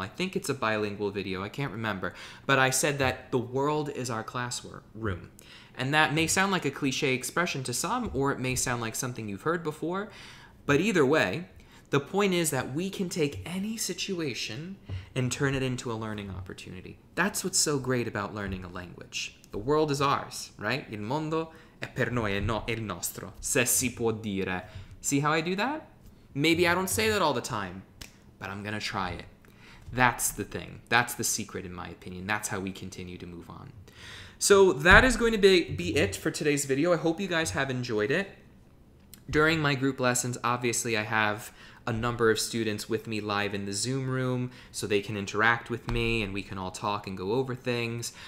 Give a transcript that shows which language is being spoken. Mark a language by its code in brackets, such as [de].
[en] I think it's a bilingual video. I can't remember. But I said that the world is our classroom. And that may sound like a cliche expression to some, or it may sound like something you've heard before. But either way, the point is that we can take any situation and turn it into a learning opportunity. That's what's so great about learning a language. The world is ours, right? [it] Il mondo è per noi, è no, il nostro, se si può dire. [en] See how I do that? Maybe I don't say that all the time, but I'm gonna try it. That's the thing. That's the secret, in my opinion. That's how we continue to move on. So that is going to be it for today's video. I hope you guys have enjoyed it. During my group lessons, obviously I have a number of students with me live in the Zoom room so they can interact with me and we can all talk and go over things.